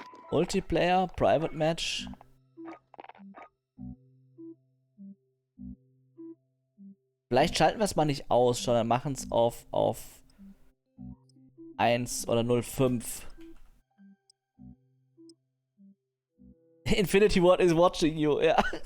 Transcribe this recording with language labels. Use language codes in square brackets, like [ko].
[en] Multiplayer, Private Match. [de] Vielleicht schalten wir es mal nicht aus, sondern machen es auf 1 oder 05. [en] Infinity Ward is watching you, ja.